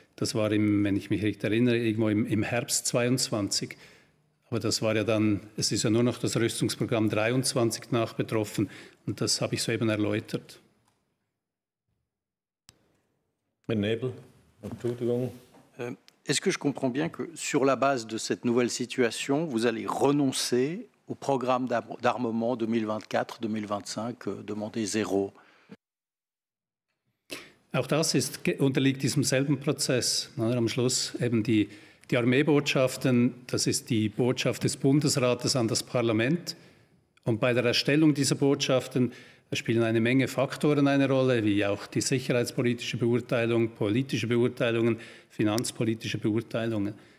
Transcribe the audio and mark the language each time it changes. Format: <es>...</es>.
<de>Das war, wenn ich mich richtig erinnere, irgendwo im Herbst 22. Aber das war ja dann, es ist ja nur noch das Rüstungsprogramm 23 nach betroffen. Und das habe ich soeben erläutert. Herr Nebel, Entschuldigung.</de> <fr>Est-ce que je comprends bien que sur la base de cette nouvelle situation, vous allez renoncer au programme d'armement 2024-2025 demandé zéro?</fr> <de>Auch das unterliegt diesem selben Prozess. Am Schluss eben die Armeebotschaften, das ist die Botschaft des Bundesrates an das Parlament. Und bei der Erstellung dieser Botschaften spielen eine Menge Faktoren eine Rolle, wie auch die sicherheitspolitische Beurteilung, politische Beurteilungen, finanzpolitische Beurteilungen.</de>